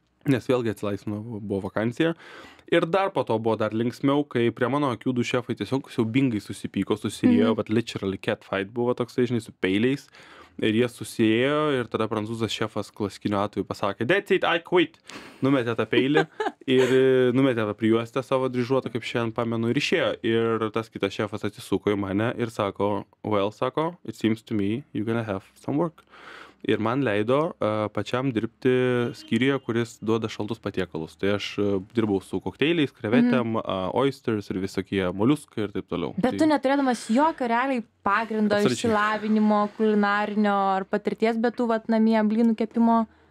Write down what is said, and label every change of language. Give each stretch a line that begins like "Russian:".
Lithuanian: Nes vėlgi atsilaisino buvo vakancija. Ir dar po to buvo dar linksmiau, kai prie mano akių du šefai tiesiog siaubingai susipyko, susirėjo, bet
English: literally cat fight
Lithuanian: buvo toksai, žinai, su peiliais. Ir jie susirėjo ir tada prancūzas šefas klasikiniu atveju pasakė,
English: that's it, I quit.
Lithuanian: Numetė tą peilį ir numetė tą prijuostę savo dryžuotą, kaip šiandien pamenu, ir išėjo. Ir tas kitas šefas atsisuko į mane ir sako, well, sako,
English: it seems to me you're gonna have some work.
Lithuanian: Ir man leido pačiam dirbti skyriuje, kuris duoda šaltus patiekalus. Tai aš dirbau su kokteiliais, krevetėm, oysters ir visokie moliuskai ir taip toliau. Bet tu neturėdamas jokio realiai pagrindo išsilavinimo, kulinarinio ar patirties, bet tu vat namie blynų kepimo?